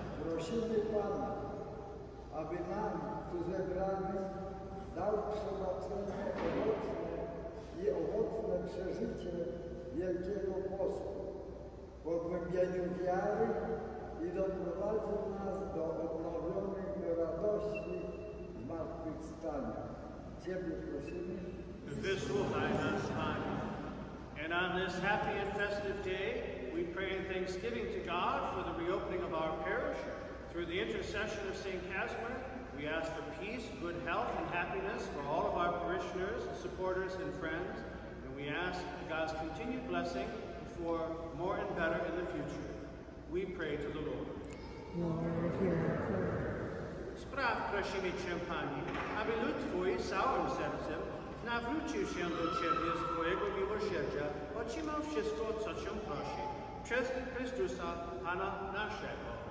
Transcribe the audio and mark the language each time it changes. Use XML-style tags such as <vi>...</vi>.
<pl>Prosimy Pana, aby nam, tu zebrani, dał przebaczenie owocne i owocne przeżycie Wielkiego Postu, pogłębieniu wiary i doprowadził nas do odnowionych radości zmartwychwstania. Ciebie prosimy.</pl> <en>The Visual High Mass Fire. And on this happy and festive day, we pray in thanksgiving to God for the reopening of our parish. Through the intercession of St. Casimir, we ask for peace, good health, and happiness for all of our parishioners, supporters, and friends. And we ask God's continued blessing for more and better in the future. We pray to the Lord. Lord, hear our prayer.</en> <pl>Spraw, prosimy Cię, Panie, aby lud Twój całym sercem nawrócił się do Ciebie z Twojego miłosierdzia, otrzymał wszystko, co Cię prosi. Przez Chrystusa, Pana naszego.</pl>